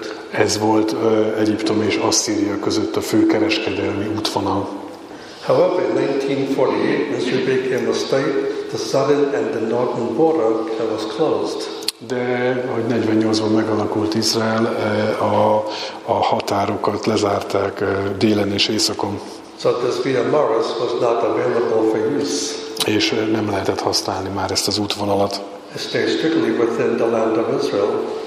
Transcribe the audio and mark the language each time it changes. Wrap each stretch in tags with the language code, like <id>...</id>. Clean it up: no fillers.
<hu>Ez volt Egyiptom és Asszíria között a fő kereskedelmi útvonal.</hu> <en>However, in 1948, Israel became a state, the southern and the northern border was closed.</en> <hu>De hogy 48-ban megalakult Izrael, a határokat lezárták délen és északon.</hu> <en>So this Via Maris was not available for use.</en> <hu>És nem lehetett használni már ezt az útvonalat.</hu> <en>It stayed strictly within the land of Israel.</en>